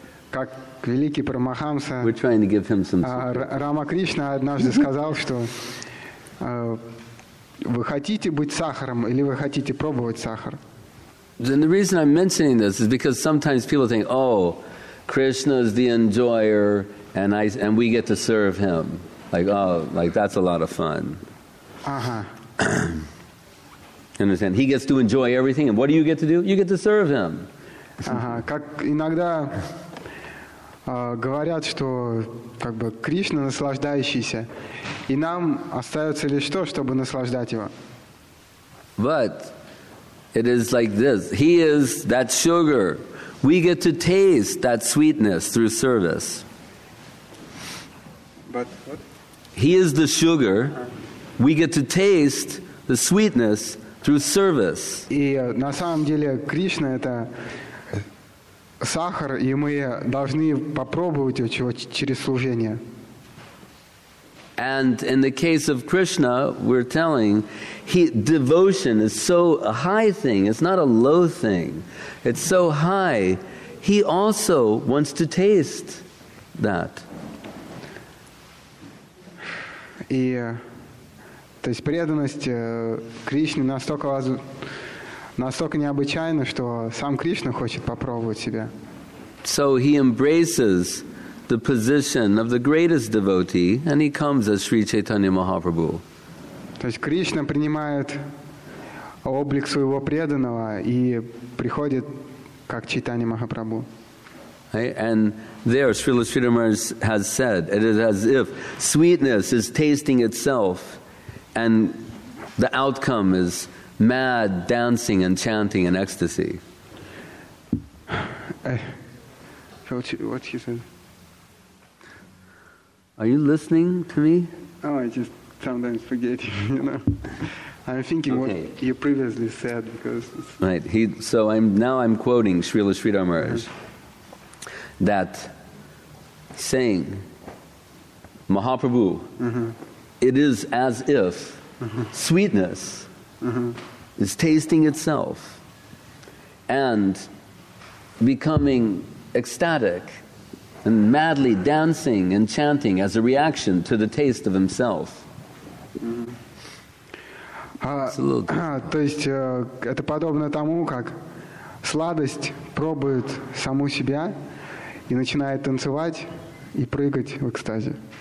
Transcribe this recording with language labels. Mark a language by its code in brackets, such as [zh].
[ru] Как великий Парамахамса. [en] We're trying to give him some [ru] Рамакришна однажды сказал, что вы хотите быть сахаром или вы хотите пробовать сахар? [en] Then the reason I'm mentioning this is because sometimes people think, oh, Krishna is the enjoyer and we get to serve him. Like, oh, like that's a lot of fun. Uh-huh. Understand? He gets to enjoy everything, and what do you get to do? You get to serve him. Uh-huh. [ru] Как иногда говорят, что как бы Кришна наслаждающийся, и нам остается лишь то, чтобы наслаждать его. [en] But it is like this. He is that sugar. We get to taste that sweetness through service. But what? He is the sugar. We get to taste the sweetness through service. [ru] И на самом деле Кришна – это сахар, и мы должны попробовать его через служение. [en] And in the case of Krishna, we're telling, devotion is so a high thing, it's not a low thing. It's so high, he also wants to taste that. [ru] И, то есть преданность Кришне настолько необычайна, что сам Кришна хочет попробовать себя. [en] So he embraces the position of the greatest devotee, and he comes as Sri Chaitanya Mahaprabhu. [ru] То есть Кришна принимает облик своего преданного и приходит как Чайтанья Махапрабху. [en] And there, Srila Sridhar Maharaj has said, it is as if sweetness is tasting itself, and the outcome is mad dancing and chanting in ecstasy. What he said? Are you listening to me? Oh, I just sometimes forget, you know. I'm thinking okay. What you previously said because. Right. I'm quoting Srila Sridhar Maharaj. Yes. That saying, Mahaprabhu, mm-hmm. It is as if mm-hmm. sweetness mm-hmm. is tasting itself and becoming ecstatic and madly dancing and chanting as a reaction to the taste of himself. [ru] То есть это подобно тому, как сладость пробует саму себя. И начинает танцевать и прыгать в экстазе.